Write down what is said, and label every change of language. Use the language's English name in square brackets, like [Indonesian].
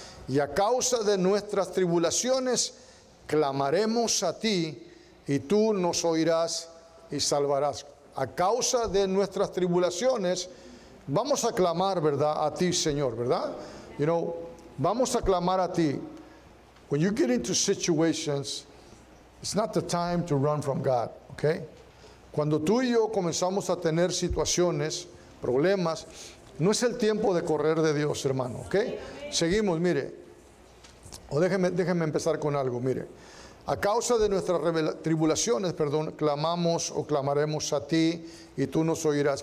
[Spanish] Y a causa de nuestras tribulaciones, clamaremos a ti, y tú nos oirás y salvarás. A causa de nuestras tribulaciones, vamos a clamar, ¿verdad?, a ti, Señor, ¿verdad? [English] You know, [Spanish] vamos a clamar a ti. [English] When you get into situations, it's not the time to run from God, okay? [Spanish] Cuando tú y yo comenzamos a tener situaciones, problemas, no es el tiempo de correr de Dios, hermano, okay? Seguimos, mire. O déjeme empezar con algo, mire. A causa de nuestras tribulaciones, perdón, clamamos o clamaremos a ti y tú nos oirás.